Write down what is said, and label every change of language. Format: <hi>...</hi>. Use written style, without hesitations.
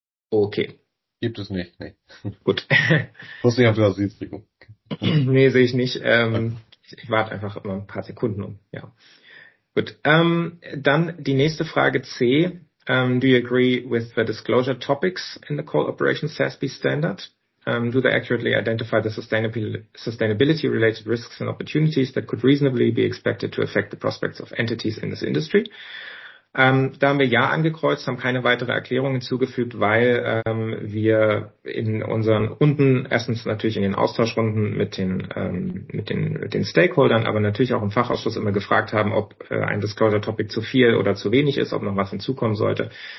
<de>Okay. Gibt es nicht, nee. Gut. Ich wusste nicht, ob du das siehst, Rico. Nee, sehe ich nicht. Ich warte einfach immer ein paar Sekunden. Ja. Gut. Dann die nächste Frage C.</de> <en>Do you agree with the disclosure topics in the Core Operations SASB standard? Do they accurately identify the sustainability related risks and opportunities that could reasonably be expected to affect the prospects of entities in this industry?</en> <de>Da haben wir ja angekreuzt, haben keine weitere Erklärung hinzugefügt, weil wir in unseren Runden, erstens natürlich in den Austauschrunden mit den Stakeholdern, aber natürlich auch im Fachausschuss immer gefragt haben, ob ein Disclosure-Topic zu viel oder zu wenig ist, ob noch was hinzukommen sollte.</de>